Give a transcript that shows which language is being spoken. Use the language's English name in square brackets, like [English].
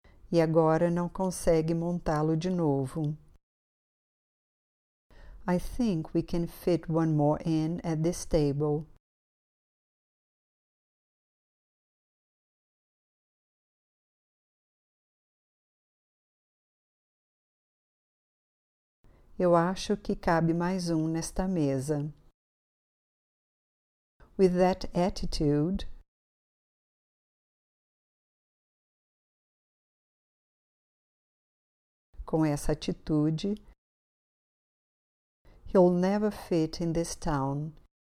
[Portuguese] E agora não consegue montá-lo de novo. [English] I think we can fit one more in at this table. [Portuguese] Eu acho que cabe mais um nesta mesa. [English] With that attitude, [Portuguese] com essa atitude, [English] he'll never fit in this town.